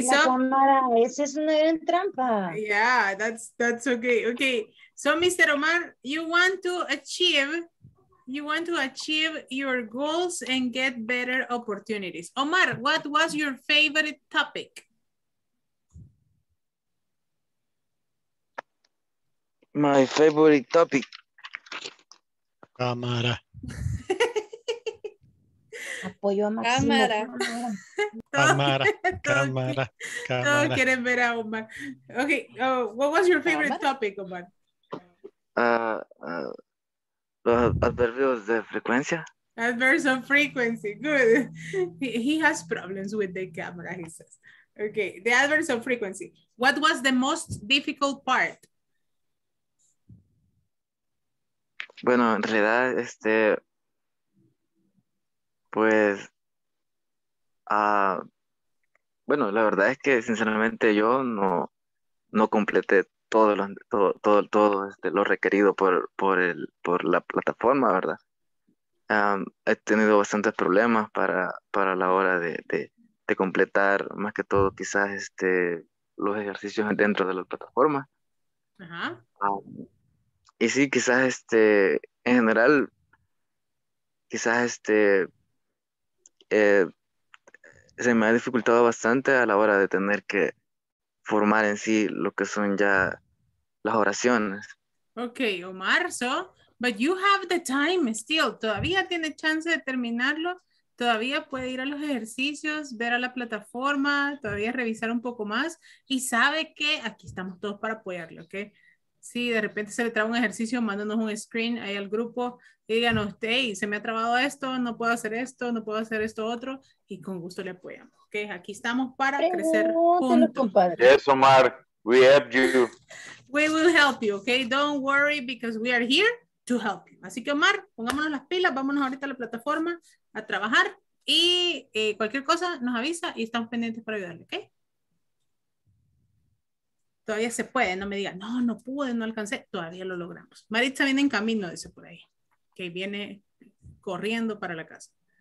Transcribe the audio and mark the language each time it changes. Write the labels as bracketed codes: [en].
[es] sí, la cámara, esa es una gran trampa. [en] Yeah, that's okay. Okay, so Mr. Omar, you want to achieve your goals and get better opportunities. Omar, what was your favorite topic? My favorite topic. [es] Camara. Apoyo a Máximo. Cámara. Cámara. Cámara. Cámara. Todos quieren ver a Omar. [en] Okay. What was your favorite topic, Omar? [es] Los adverbios de frecuencia. [en] Adverbs of frequency. Good. He has problems with the camera, he says. Okay. The adverbs of frequency. What was the most difficult part? [es] Bueno, en realidad, pues, bueno, la verdad es que sinceramente yo no completé todo lo requerido por la plataforma, ¿verdad? He tenido bastantes problemas para la hora de completar, más que todo quizás, los ejercicios dentro de la plataforma. Ajá. Y sí, quizás, en general, quizás, se me ha dificultado bastante a la hora de tener que formar en sí lo que son ya las oraciones. [en] Okay, Omar, so, but you have the time still. [es] Todavía tiene chance de terminarlo. Todavía puede ir a los ejercicios, ver a la plataforma, todavía revisar un poco más. Y sabe que aquí estamos todos para apoyarlo, okay? Si de repente se le traba un ejercicio, mándanos un screen ahí al grupo. Díganos, hey, se me ha trabado esto, no puedo hacer esto, no puedo hacer esto otro. Y con gusto le apoyamos, okay? Aquí estamos para crecer juntos. [en] Yes, Omar, we have you. We will help you, okay? Don't worry, because we are here to help you. [es] Así que Omar, pongámonos las pilas, vámonos ahorita a la plataforma a trabajar y cualquier cosa nos avisa y estamos pendientes para ayudarle, ¿ok? Todavía se puede, no me diga, no pude, no alcancé, todavía lo logramos. Maritza viene en camino, dice por ahí, que viene corriendo para la casa.